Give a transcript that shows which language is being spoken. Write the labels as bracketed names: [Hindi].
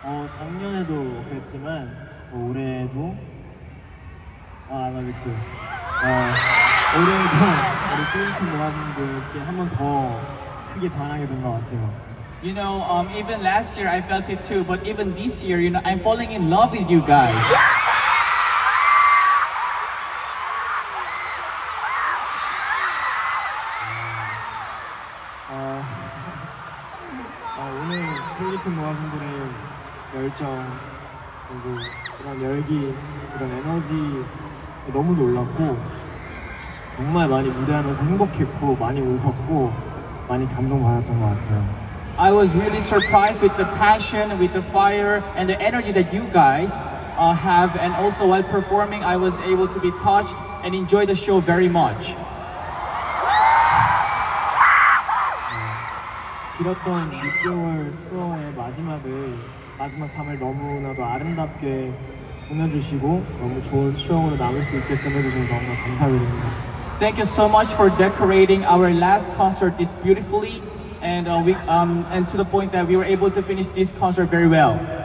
[Korean] 작년에도 그랬지만 올해도 [English] I love you too. [Korean] 올해도 우리 필리핀 모아분들께 한 번 더 크게 반하게 된 것 같아요. [English] You know, even last year I felt it too, but even this year, you know, I'm falling in love with you guys. Yeah! [Korean] 오늘 필리핀 모아분들의 열정, 그리고 그런 열기, 그런 에너지 너무 놀랐고, 정말 많이 무대하면서 행복했고, 많이 웃었고, 많이 감동받았던 것 같아요. [English] I was really surprised with the passion, with the fire, and the energy that you guys have. And also while performing, I was able to be touched and enjoy the show very much. [Korean] 길었던 6개월 투어의 마지막 밤을 너무나도 아름답게 보내주시고 너무 좋은 추억으로 남을 수 있게끔 해주셔서 너무나 감사드립니다. [English] Thank you so much for decorating our last concert this beautifully. And and to the point that we were able to finish this concert very well.